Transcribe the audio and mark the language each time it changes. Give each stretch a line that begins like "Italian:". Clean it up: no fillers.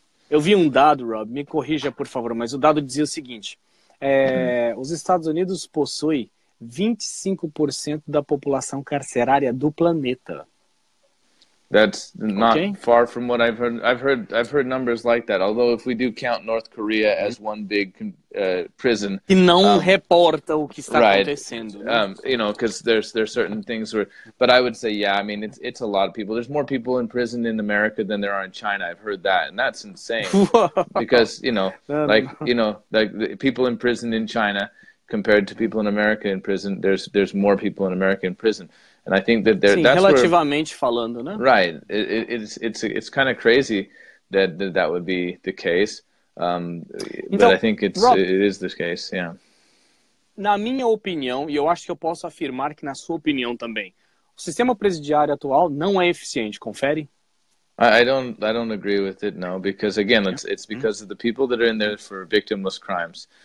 Portuguese: Eu vi um dado, Rob, me corrija por favor, mas o dado dizia o seguinte: os Estados Unidos possui 25% da população carcerária do planeta.
English: That's not far from what I've heard. I've heard numbers like that. Although if we do count North Korea as one big prison,
Portuguese: que não reporta o que está acontecendo, né?
English: You know, because there's certain things where. But I would say, I mean, it's a lot of people. There's more people in prison in America than there are in China. I've heard that, and that's insane. Because the people in prison in China compared to people in America in prison, there's more people in America in prison. And I think that
Portuguese: relativamente falando, né?
English: Right. It's kind of crazy that would be the case. Então, but I think it is the case,
Portuguese: Na minha opinião, e eu acho que eu posso afirmar que na sua opinião também, O sistema presidiário atual não é eficiente, confere?
English: I don't agree with it, no, because again, it's because of the people that are in there for victimless crimes.